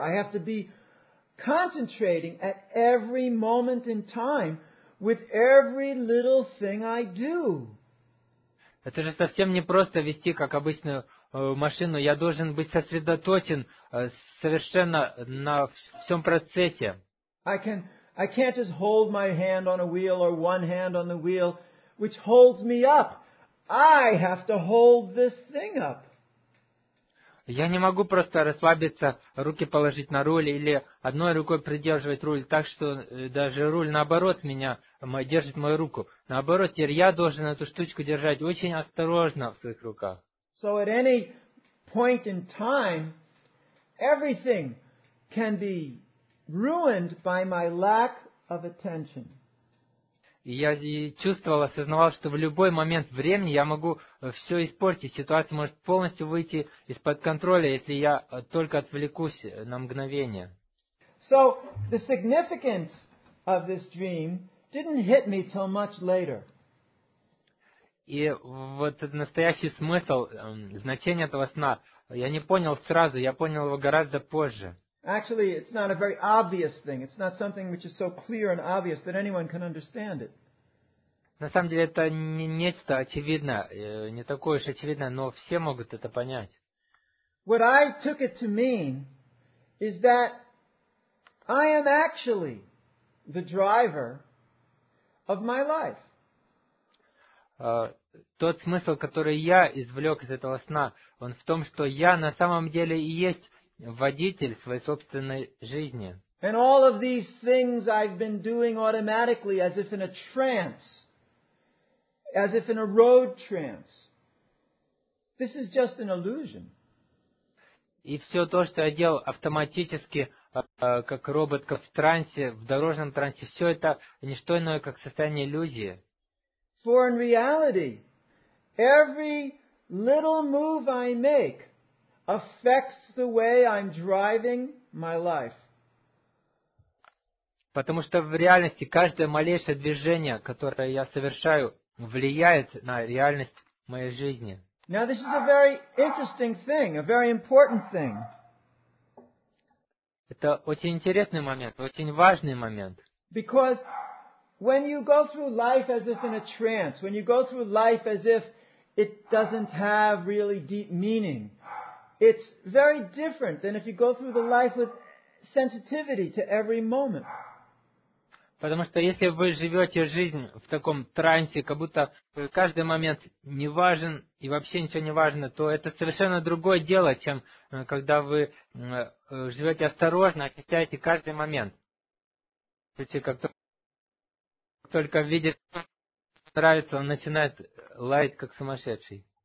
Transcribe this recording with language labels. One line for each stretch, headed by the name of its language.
English: I have to be concentrating at every moment in time with every little thing I do.
Russian: Это же совсем не просто вести, как обычную машину. Я должен быть сосредоточен совершенно на всем процессе.
English: I can't just hold my hand on a wheel or one hand on the wheel, which holds me up. I have to hold this thing up.
Russian: Я не могу просто расслабиться, руки положить на руль или одной рукой придерживать руль так, что даже руль наоборот меня держит мою руку. Наоборот, теперь я должен эту штучку держать очень осторожно в своих руках.
English: So at any point in time, everything can be ruined by my lack of attention.
Russian: Я чувствовал, осознавал, что в любой момент времени я могу все испортить. Ситуация может полностью выйти из-под контроля, если я только отвлекусь на мгновение.
English: So the significance of this dream didn't hit me till much later.
Russian: И вот этот настоящий смысл, значение этого сна, я не понял сразу, я понял его гораздо позже.
English: Actually, it's not a very obvious thing. It's not something which is so clear and obvious that anyone can understand it.
Russian: На самом деле это не нечто очевидно, не такое уж очевидно, но все могут это понять.
English: What I took it to mean is that I am actually the driver of my life.
Russian: Тот смысл, который я извлек из этого сна, он в том, что я на самом деле и есть водитель своей собственной жизни.
English: And all of these things I've been doing automatically as if in a trance, as if in a road trance. This is just an illusion.
Russian: И все то, что я делал автоматически, как робот, как в трансе, в дорожном трансе, все это не что иное, как состояние иллюзии.
English: For in reality, every little move I make affects the way I'm driving my life.
Russian: Потому что в реальности каждое малейшее движение, которое я совершаю, влияет на реальность моей жизни.
English: Now this is a very interesting thing, a very important thing.
Russian: Это очень интересный момент, очень важный момент.
English: Because when you go through life as if in a trance, when you go through life as if it doesn't have really deep meaning, it's very different than if you go through the life with sensitivity to every moment.
Russian: Потому что если вы живете жизнь в таком трансе, как будто каждый момент не важен и вообще ничего не важно, то это совершенно другое дело, чем когда вы живете осторожно, ощущаете каждый момент. Как только видит, нравится, он начинает лаять, как сумасшедший.